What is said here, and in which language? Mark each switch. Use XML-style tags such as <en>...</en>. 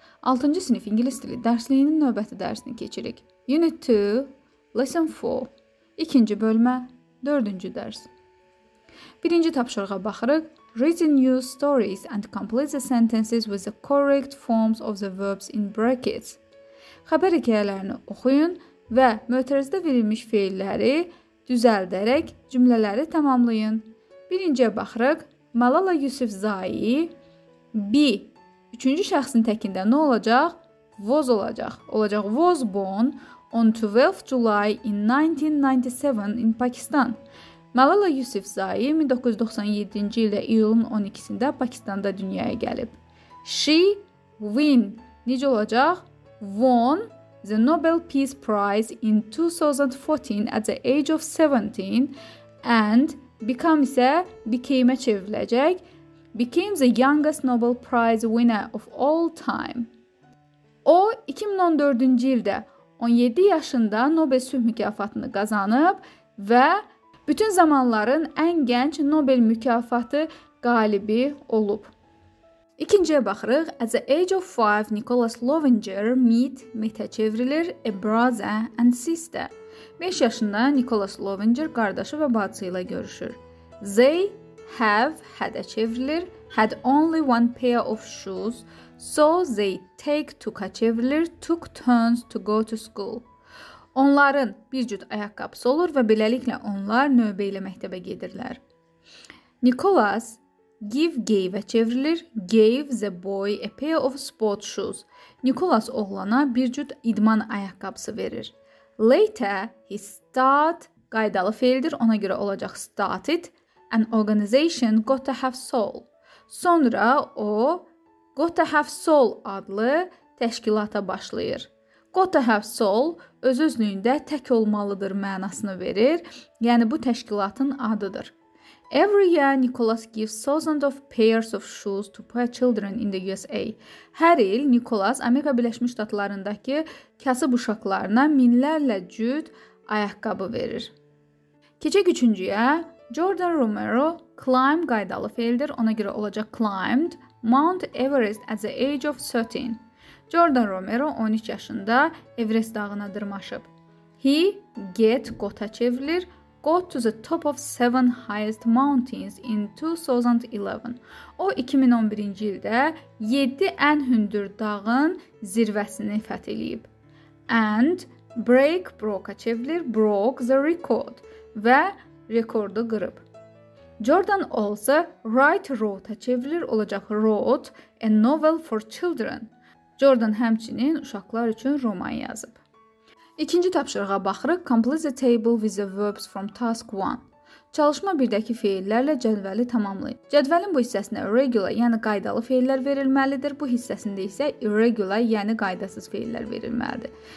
<az>6-cı sinif ingilis dili dərsliyinin növbəti dərsini keçirik. Unit 2, Lesson 4, 2-ci bölmə, 4-cü dərs. 1-ci tapşırığa baxırıq.</az> <en>Reading new stories and complete the sentences with the correct forms of the verbs in brackets.</en> <az>Xəbər hekayələrini oxuyun və mötərizdə verilmiş feilləri düzəldərək cümlələri tamamlayın. 1-ciyə baxırıq. Malala Yusufzai. B. Üçüncü şəxsin təkində nə olacaq? Was olacaq. Olacaq</az> <en>was born on 12 July in 1997 in Pakistan.</en> <az>Malala Yusufzai 1997-ci ildə iyulun 12-sində Pakistanda dünyaya gəlib.</az> <en>She win.</en> <az>Necə olacaq?</az> <en>Won the Nobel Peace Prize in 2014 at the age of 17 and become</en> <az>isə became-ə çevriləcək.</az> <en>Became the youngest Nobel Prize winner of all time.</en> <az>O, 2014-cü ildə 17 yaşında Nobel sülh mükafatını qazanıb və bütün zamanların ən gənc Nobel mükafatı qalibi olub. İkinciyə baxırıq.</az> <en>At the age of 5, Nicholas Lovinger meet</en> <az>çevrilir</az> <en>a brother and sister.</en> <az>5 yaşında Nicholas Lovinger qardaşı və bacısı ilə görüşür.</az> <en>They have had a</en> <az>çevrilir,</az> <en>had only one pair of shoes, so they take took a çevrilir, took turns to go to school.</en> <az>Onların bir cüt ayaqqabısı olur və beləliklə onlar növbə ilə məktəbə gedirlər.</az> <en>Nicholas gave</en> <az>çevrilir,</az> <en>gave the boy a pair of sport shoes.</en> <az>Nicholas oğlana bir cüt idman ayaqqabısı verir.</az> <en>Later he start</en> <az>qaydalı feildir, ona görə olacaq started.</az> <en>An organization got to have soul.</en> <az>Sonra o</az> <en>got to have soul</en> <az>adlı təşkilata başlayır.</az> <en>Got to have soul</en> <az>öz-özlüyündə tək olmalıdır mənasını verir. Yəni bu təşkilatın adıdır.</az> <en>Every year Nicholas gives thousands of pairs of shoes to poor children in the USA.</en> <az>Hər il Nicholas Amerika Birləşmiş Ştatlarındakı kasıb uşaqlarına minlərlə cüt ayaqqabı verir. Keçək üçüncüyə. Jordan Romero climb qaydalı feildir. Ona görə olacaq</az> <en>climbed Mount Everest at the age of 13.</en> <az>Jordan Romero 13 yaşında Everest dağına dırmaşıb. He got-a çevrilir.</az> <en>Got to the top of 7 highest mountains in 2011.</en> <az>O 2011-ci ildə 7 ən hündür dağın zirvəsini fəth edib.</az> <en>And broke-a</en> <az>çevrilir.</az> <en>Broke the record.</en> <az>Və rekordu qırıb.</az> <en>Jordan also write wrote-a</en> <az>çevrilir olacaq</az> <en>wrote a novel for children.</en> <az>Jordan həmçinin uşaqlar üçün roman yazıb. İkinci tapşırığa baxırıq.</az> <en>Complete the table with the verbs from task 1.</en> <az>Çalışma 1-dəki feillərlə cədvəli tamamlayın. Cədvəlin bu hissəsində regular, yəni qaydalı feillər verilməlidir. Bu hissəsində isə irregular, yəni qaydasız feillər verilməlidir.</az>